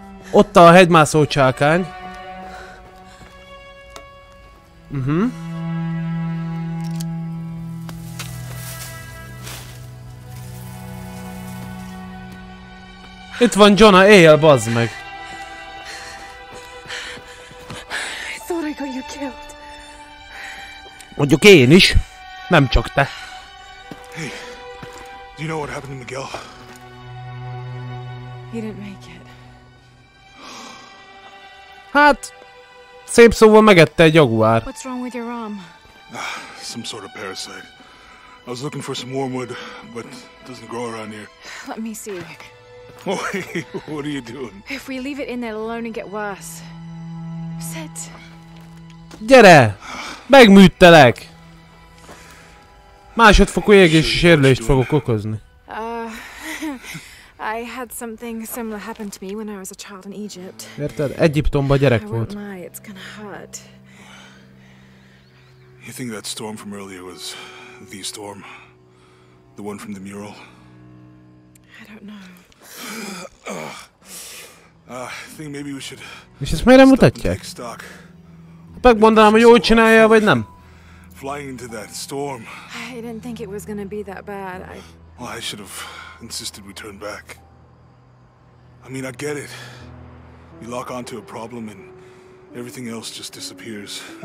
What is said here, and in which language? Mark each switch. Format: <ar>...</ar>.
<hu>Ott a hegymászó csákány. Mhm. Itt van Jonah, éjjel, bazd meg!</hu> <en>I thought I got you killed.</en> <hu>Mondjuk én is. Nem csak te.</hu> <en>Hey, do you know what happened to Miguel? He didn't make it.</en> <hu>Hát... Szép szóval megette egy jaguár.</hu> <en>What's wrong with your arm? Some sort of parasite. I was looking for some wormwood, but it doesn't grow around here. Let me see. What are you doing? If we leave it in there, it'll only get worse. Sit.</en> <hu>Gyere! Megműttelek! Másodfokú égési sérülést fogok okozni.</hu> <en>I had something similar happen to me when I was a child in Egypt.</en> <hu>Érted? Egyiptomba gyerek volt.</hu> <en>Why? It's gonna hurt. You think that storm from earlier was the storm? The one from the mural? I don't know. I think maybe we should.</en> <hu>És ezt miért nem mutatják? Megmondanám, hogy jól csinálja, vagy nem?</hu> <en>Flying into that storm. I didn't think it was gonna be that bad. Well, I should have insisted we turn back. I mean, I get it. You lock onto a problem and everything else just disappears.</en>